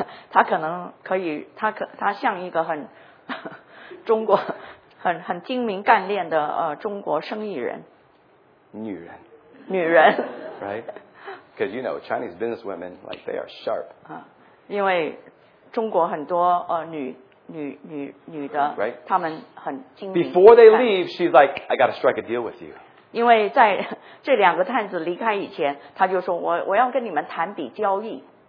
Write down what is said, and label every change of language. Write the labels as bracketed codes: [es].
[zh] 他可能可以他像一个很中国很精明干练的中国生意人。女人。女人。 [en] Right? Because you know Chinese businesswomen, like they are sharp. [zh] 因为中国很多女的，她、们很精明。 [en] Before they leave, she's like, I got to strike a deal with you. [zh] 因为在这两个探子离开以前，她就说我要跟你们谈笔交易。